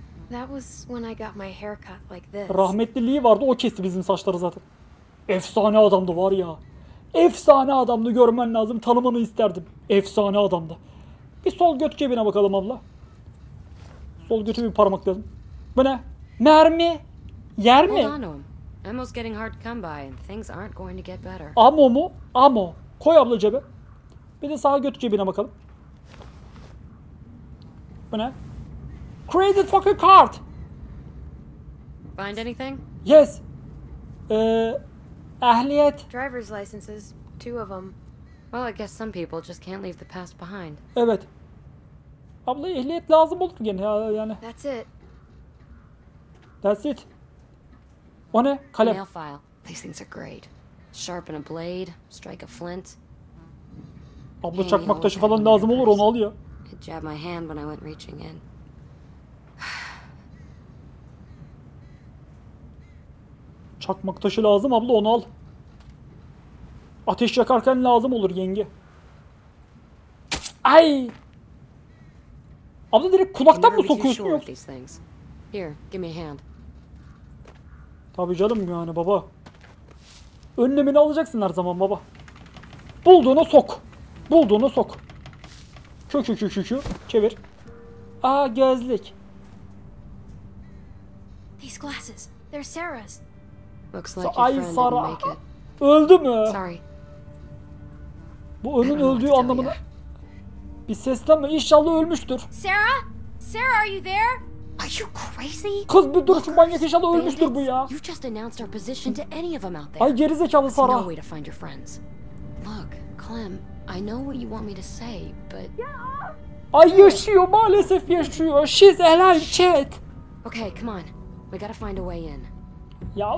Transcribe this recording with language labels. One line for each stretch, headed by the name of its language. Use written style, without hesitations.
English: That was when I got my haircut like this.
Turkish: Rahmetli Lee vardı, o kesti bizim saçları zaten. Efsane adamdı var ya. Efsane adamdı, görmen lazım, tanımanı isterdim. Efsane adamdı. Bir sol göt cebine bakalım abla. Sol götü bir parmakladım. Bu ne? Mermi. Yer mi?
English: Ammo's getting hard to come by and things aren't going to get better.
Turkish: Ammo mu? Ammo. Koy abla cebe. Bir de sağ göt cebine bakalım. Bu ne?
English: Credit fucking card. Find anything? Yes.
Turkish: Ehliyet.
English: Driver's licenses, two of them. Well, I guess some people just can't leave the past behind.
Turkish: Evet. Abla ehliyet lazım olur gene yani.
English: That's it. That's it.
Turkish: O ne? Kalem.
English: Nail file. These things are great. Sharpen a blade, strike a flint.
Turkish: Abla çakmak taşı falan lazım olur, onu al ya.
English: I jabbed my hand when I went reaching in.
Turkish: Çakmak taşı lazım abla, onu al. Ateş yakarken lazım olur yenge. Ay! Abla direkt kulaktan mı sokuyorsun yoksa?
English: Here, give me a hand.
Turkish: Tabii canım yani baba. Önlemini alacaksın her zaman baba. Bulduğuna sok. Bulduğuna sok. Kü çevir. Aa, gözlük.
English: These glasses. They're Sarah's. Looks like your friend didn't make it.
Turkish: Öldü mü?
English: Sorry.
Turkish: Bu ölün öldüğü anlamına. Bir seslenme. İnşallah ölmüştür.
English: Sarah? Sarah, are you there? Are you crazy?
Turkish: Kız bir dur şu manyak, inşallah ölmüştür bu ya.
English: You just announced our position to any of them out there.
Turkish: Ay gerizekalı Sarah.
English: There's no way to find your friends. Look, Clem, I know what you want me to say, but...
Turkish: Ay yaşıyor, maalesef yaşıyor.
English: She's alive, chat. Okay, come on. We gotta find a way in. Ya